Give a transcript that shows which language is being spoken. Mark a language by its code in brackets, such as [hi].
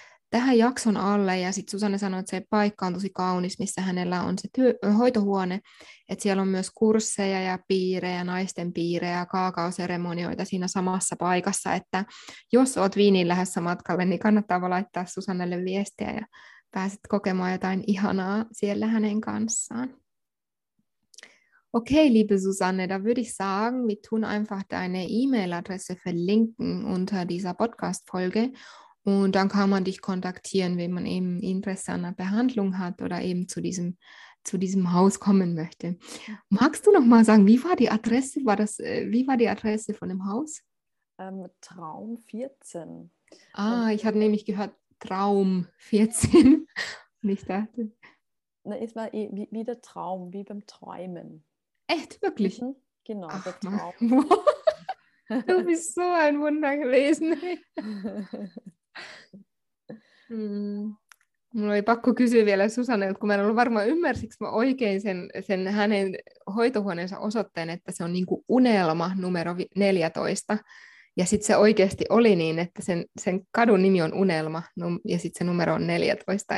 [fi] tähän jakson alle, ja sitten Susanne sanoi, että se paikka on tosi kaunis, missä hänellä on se hoitohuone, että siellä on myös kursseja ja piirejä, naisten piirejä, kaakaoseremonioita siinä samassa paikassa, että jos oot Viiniin lähdössä matkalle, niin kannattaa vaan laittaa Susannelle viestiä, ja pääset kokemaan jotain ihanaa siellä hänen kanssaan. [de] Okay, liebe Susanne, da würde ich sagen, wir tun einfach deine E-Mail-Adresse verlinken unter dieser Podcast-Folge und dann kann man dich kontaktieren, wenn man eben Interesse an einer Behandlung hat oder eben zu diesem Haus kommen möchte. Magst du noch mal sagen, wie war die Adresse? Wie war die Adresse von dem Haus? Traum 14. Ah, ich hatte nämlich gehört Traum 14. Und ich dachte. Na, ist mal wie der Traum, wie beim Träumen. Echt, wirklich? Genau, ach, der Traum. Du bist so ein Wunder gewesen. [fi] Mulla oli pakko kysyä vielä Susanne, kun mä en ollut varmaan ymmärsikö mä oikein sen hänen hoitohuoneensa osoitteen, että se on niinku unelma numero 14. Ja sitten se oikeasti oli niin, että sen kadun nimi on unelma ja sitten se numero on 14.